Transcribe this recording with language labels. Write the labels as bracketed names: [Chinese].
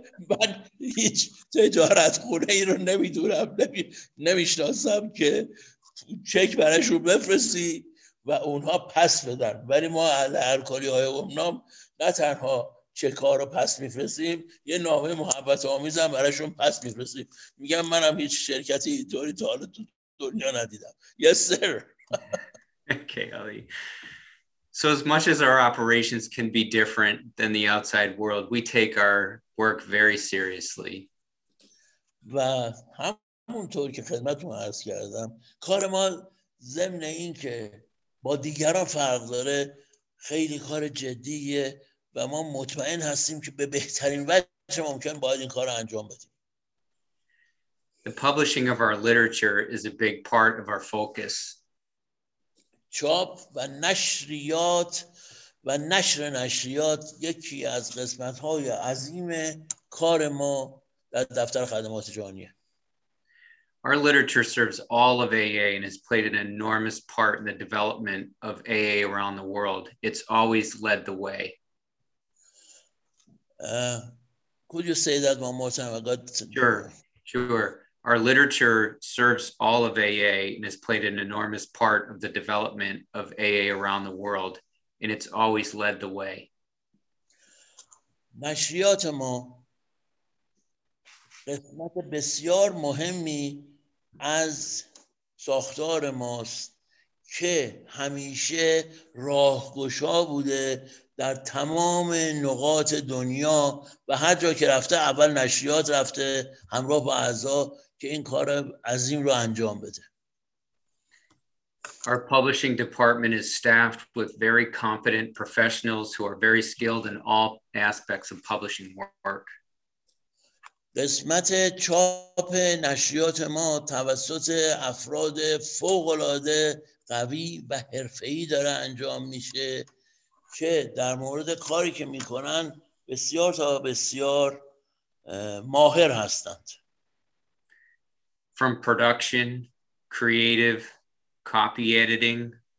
[Persian] من هیچ تجارت خونه ای رو نمیدونم نمیشناسم که چک براشون بفرستی و اونها پس بدن، ولی ما اهل الکلی های گمنام نه تنها چک ها رو پس میفرستیم، یه نامه محبت آمیز هم براشون پس میفرستیم. میگم منم هیچ شرکتی اینطوری تا حالا تو دنیا ندیدم. [English] Yes sir. Okay, Ali. So as much as our operations can be different than the outside world, we take our work very seriously. [Persian] و همونطور که خدمتتون عرض کردم، کار ما ضمن این که با دیگران فرق داره، خیلی کار جدیه و ما مطمئن هستیم که به بهترین وجه ممکن باید این کار رو انجام بدیم. [English] The publishing of our literature is a big part of our focus. [Persian] چاپ و نشریات و نشر نشریات یکی از قسمت‌های عظیم کار ما در دفتر خدمات جهانیه. [English] Our literature serves all of AA and has played an enormous part in the development of AA around the world. It's always led the way. Could you say that one more time? I got to... Sure. Our literature serves all of AA and has played an enormous part of the development of AA around the world, and it's always led the way. [Persian] نشریات ما قسمت بسیار مهمی از ساختار ماست که همیشه راهگشا بوده در تمام نقاط دنیا و هر جا که رفته اول نشریات رفته همراه با اعضا که این کار عظیم رو انجام بده. [English] Our publishing department is staffed with very competent professionals who are very skilled in all aspects of publishing work. [Persian] قسمت چاپ نشریات ما توسط افراد فوق‌العاده قوی و حرفه‌ای داره انجام میشه که در مورد کاری که میکنن بسیار تا بسیار ماهر هستند. [English] From production, creative, copy editing.